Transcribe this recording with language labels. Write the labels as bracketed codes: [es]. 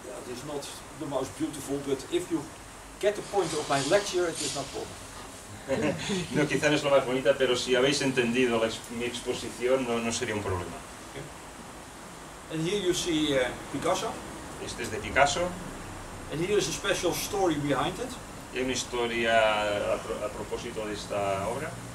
[en] It is not the most beautiful, but if you get the point of my lecture, it is not problem. [es] No, quizá no es lo más bonita, pero si habéis entendido mi exposición, no sería un problema. [en] And here you see Picasso. [es] Este es de Picasso. [en] And here is a special story behind it. [es] Y hay una historia a propósito de esta obra.